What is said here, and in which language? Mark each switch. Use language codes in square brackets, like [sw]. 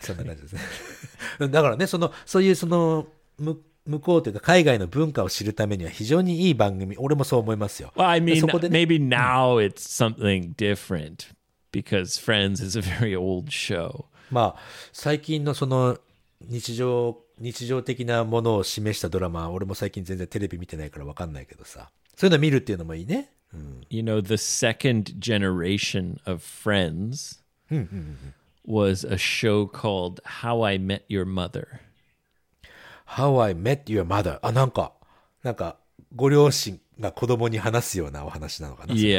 [ja] そんな感じですね。だからね、そういうその向こうというか海外の文化を知るためには非常にいい番組、俺もそう思いますよ。 [en] Well, I mean, [ja] そこでね、 [en] maybe now it's something different because Friends is a very old show. [ja] まあ最近のその日常的なものを示したドラマ、俺も最近全然テレビ見てないから分かんないけどさ、そういうの見るっていうのもいいね。 [en] You know, the second generation of Friends was a show called How I Met Your Mother. How I Met Your Mother. [ja] あ、なんか、なんか、ご両親が子供に話すようなお話なのかな。